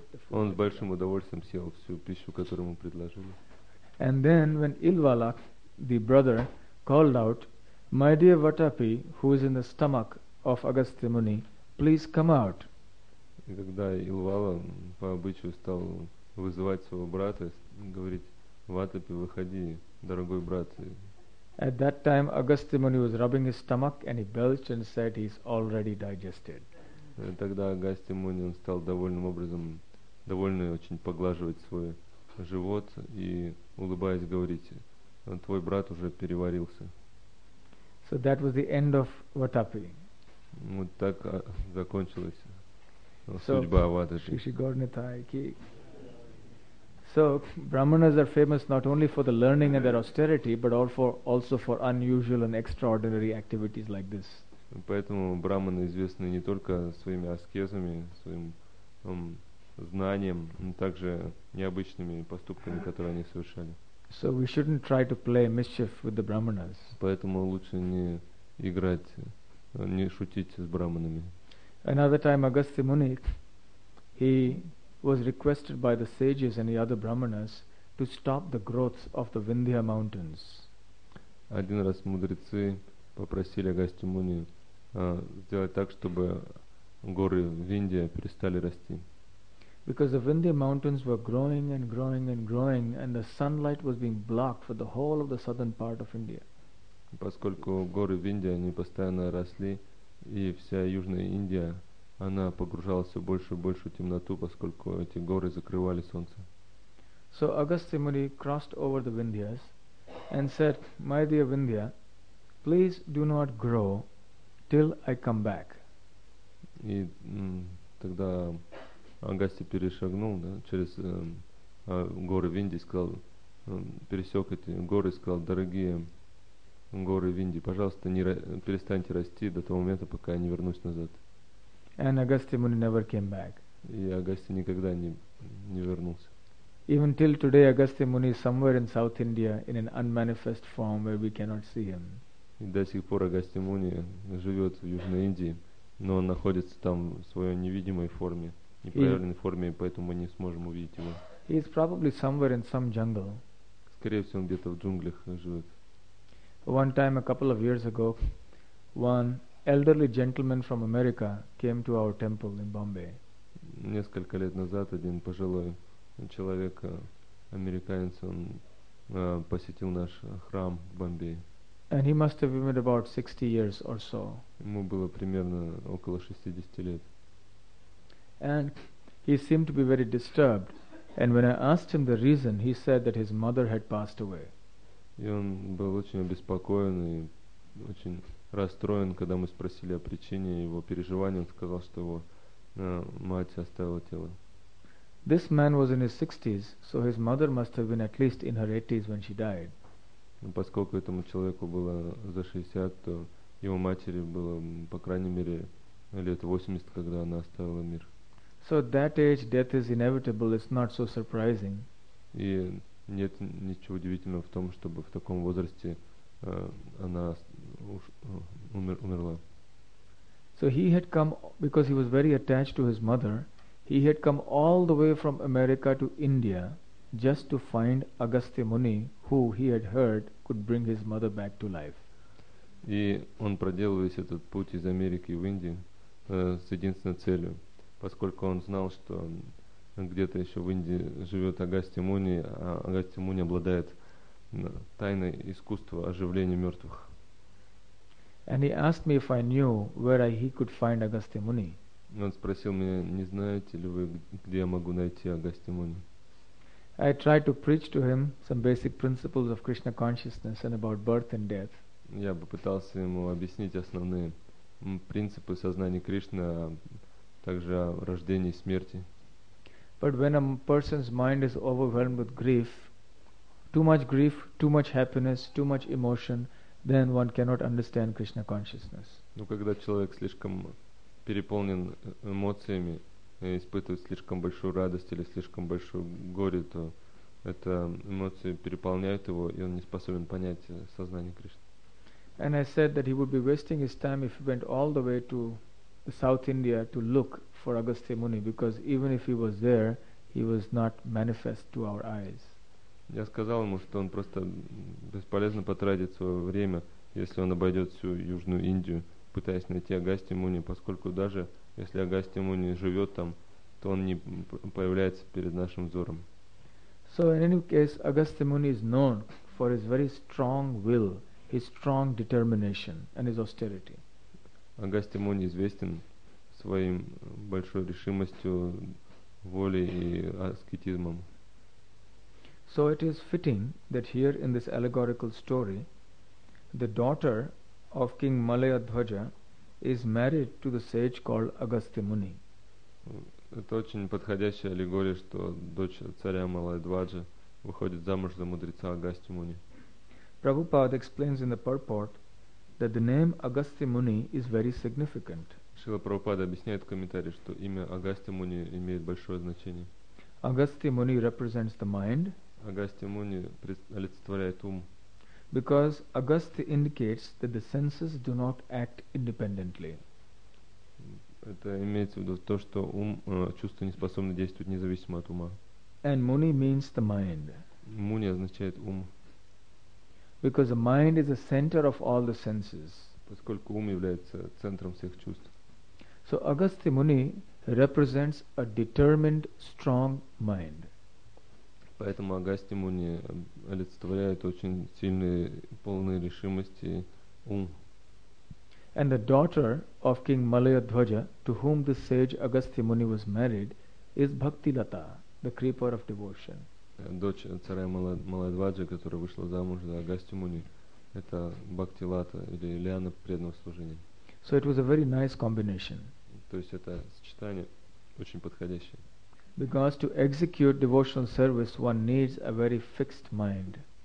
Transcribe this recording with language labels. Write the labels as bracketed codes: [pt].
[ru] Он с большим удовольствием съел всю пищу, которую ему предложили. [en] And then when Ilvalak, the brother, called out, "My dear Vatapi, who is in the stomach of Agastya Muni, please come out." [ru] И когда Илвала по обычаю стал вызывать своего брата, говорить: "Ватапи, выходи, дорогой брат." [en] At that time, Agastya Muni was rubbing his stomach, and he belched and said, "He's already digested." [ru] Тогда Агастья Муни он стал довольным образом, довольно очень поглаживать свой живот и улыбаясь говорить: "Твой брат уже переварился." [en] So that was the end of Vatapi. [ru] Вот так закончилась судьба Ватапи. [en] So Brahmanas are famous not only for the learning and their austerity, but also for unusual and extraordinary activities like this. [ru] Поэтому брахманы известны не только своими аскезами, своим знанием, но также необычными поступками, которые они совершали. [en] So we shouldn't try to play mischief with the brahmanas. [ru] Поэтому лучше не играть, не шутить с брахманами. [en] Another time, Agastya Muni, he was requested by the sages and the other brahmanas to stop the growth of the Vindhya mountains. [ru] Один раз мудрецы попросили Агастья Муни сделать так, чтобы горы в Индии перестали расти. [en] Because the Vindhya mountains were growing and growing and growing, and the sunlight was being blocked for the whole of the southern part of India. [ru] Поскольку горы в Индии они постоянно росли, и вся южная Индия она погружалась все больше и больше в темноту, поскольку эти горы закрывали солнце. [en] So Agastya Muni crossed over the Vindhyas and said, "My dear Vindhya, please do not grow till I come back." [ru] И тогда Агасти перешагнул, да, через горы в Индии, сказал, пересек эти горы, сказал: "Дорогие горы в Индии, пожалуйста, перестаньте расти до того момента, пока я не вернусь назад." [en] And Agastya Muni never came back. [ru] И Агасти никогда не вернулся. [en] Even till today, Agastya Muni is somewhere in South India in an unmanifest form where we cannot see him. [ru] И до сих пор Агастья Муни живет в Южной Индии, но он находится там в своей невидимой форме, непроявленной форме, и поэтому мы не сможем увидеть его. [en] He is probably somewhere in some jungle. [ru] Скорее всего, он где-то в джунглях живет. [en] One time, a couple of years ago, one elderly gentleman from America came to our temple in Bombay. [ru] Несколько лет назад один пожилой человек, американец, он посетил наш храм в Бомбее. [en] And he must have been about 60 years or so. [ru] Ему было примерно около 60 лет. [en] And he seemed to be very disturbed. And when I asked him the reason, he said that his mother had passed away. [ru] И он был очень обеспокоен и очень расстроен, когда мы спросили о причине его переживания. Он сказал, что его мать оставила тело. [en] This man was in his 60s, so his mother must have been at least in her 80s when she died. [ru] Поскольку этому человеку было за 60, то его матери было, по крайней мере, лет 80, когда она оставила мир. [en] So at that age, death is inevitable, it's not so surprising. [ru] И нет ничего удивительного в том, чтобы в таком возрасте она умерла. [en] So he had come, because he was very attached to his mother, he had come all the way from America to India just to find Agastya Muni, who he had heard could bring his mother back to life. [ru] И он проделал весь этот путь из Америки в Индию с единственной целью, поскольку он знал, что где-то еще в Индии живет Агастья Муни, а Агастья Муни обладает тайной искусства оживления мертвых. [en] And he asked me if I knew where he could find Agastya Muni. [ru] Он спросил меня: "Не знаете ли вы, где я могу найти Агастья Муни?" [en] I tried to preach to him some basic principles of Krishna consciousness and about birth and death. [ru] Я попытался ему объяснить основные принципы сознания Кришны, а также о рождении и смерти. [en] But when a person's mind is overwhelmed with grief, too much happiness, too much emotion, then one cannot understand Krishna consciousness. [ru] Но когда человек слишком переполнен эмоциями и испытывает слишком большую радость или слишком большую горе, то это эмоции переполняют его, и он не способен понять сознание Кришны. [en] And I said that he would be wasting his time if he went all the way to the South India to look for Agastya Muni, because even if he was there, he was not manifest to our eyes. [ru] Я сказал ему, что он просто бесполезно потратит свое время, если он обойдет всю Южную Индию, пытаясь найти Агастья Муни, поскольку даже если Агастья Муни живет там, то он не появляется перед нашим взором. [en] So in any case, Agastya Muni is known for his very strong will, his strong determination, and his austerity. [ru] Агастья Муни известен своим большой решимостью, волей и аскетизмом. [en] So it is fitting that here in this allegorical story, the daughter of King Malayadhvaja is married to the sage called Agastya Muni. [ru] Это очень подходящая аллегория, что дочь царя Малайдваджа выходит замуж за мудреца Агастья Муни. [en] Prabhupada explains in the purport that the name Agastya Muni is very significant. [ru] Шрила Прабхупада объясняет в комментарии, что имя Агастья Муни имеет большое значение. [en] Агастья Муни represents the mind. [ru] Агастья Муни олицетворяет ум. [en] Because Agastya indicates that the senses do not act independently. [ru] Это имеется в виду то, что ум, чувства не способны действовать независимо от ума. [en] And Muni means the mind. [ru] Муни означает ум. [en] Because the mind is the center of all the senses. [ru] Поскольку ум является центром всех чувств. [en] So Agastya Muni represents a determined, strong mind. [ru] Поэтому Агастья Муни олицетворяет очень сильные, полные решимости ум. [en] And the daughter of King Malayadhvaja, to whom the sage Agastya Muni was married, is Bhakti Lata, the creeper of devotion. [ru] Дочь царя Малайдваджи, которая вышла замуж за Агастью Муни, это Бхакти Лата или Лиана преданного служения. [en] So it was a very nice combination. [ru] То есть это сочетание очень подходящее. [en] Because to execute devotional service, one needs a very fixed mind.